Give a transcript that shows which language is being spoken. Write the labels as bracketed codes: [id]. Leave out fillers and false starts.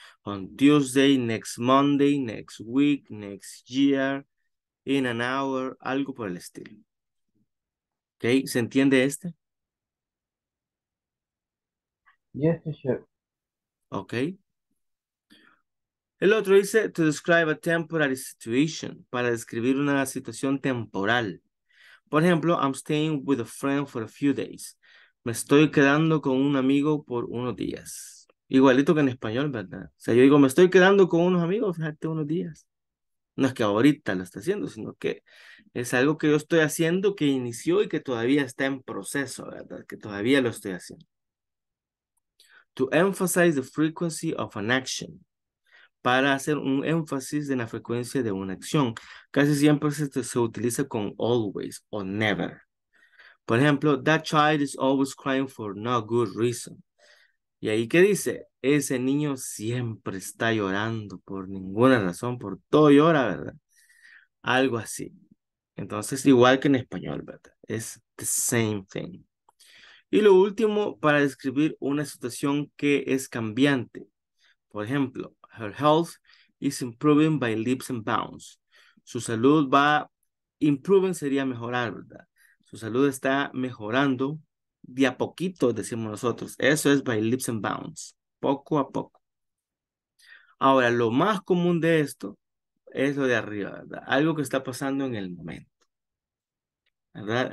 [en] On Tuesday, next Monday, next week, next year, in an hour, [es] algo por el estilo. ¿Ok? ¿Se entiende este? [en] Yes, teacher. Ok. [es] El otro dice, [en] to describe a temporary situation, [es] para describir una situación temporal. Por ejemplo, [en] I'm staying with a friend for a few days. [es] Me estoy quedando con un amigo por unos días. Igualito que en español, ¿verdad? O sea, yo digo, me estoy quedando con unos amigos, fíjate, unos días. No es que ahorita lo está haciendo, sino que es algo que yo estoy haciendo, que inició y que todavía está en proceso, ¿verdad? Que todavía lo estoy haciendo. [en] To emphasize the frequency of an action. [es] Para hacer un énfasis en la frecuencia de una acción. Casi siempre se utiliza con always o never. Por ejemplo, [en] that child is always crying for no good reason. [es] ¿Y ahí qué dice? Ese niño siempre está llorando por ninguna razón, por todo llora, ¿verdad? Algo así. Entonces, igual que en español, ¿verdad? Es [en] the same thing. [es] Y lo último, para describir una situación que es cambiante. Por ejemplo, [en] her health is improving by leaps and bounds. [es] Su salud va, improving sería mejorar, ¿verdad? Su salud está mejorando de a poquito, decimos nosotros. Eso es [en] by leaps and bounds, [es] poco a poco. Ahora, lo más común de esto es lo de arriba, ¿verdad? Algo que está pasando en el momento, ¿verdad?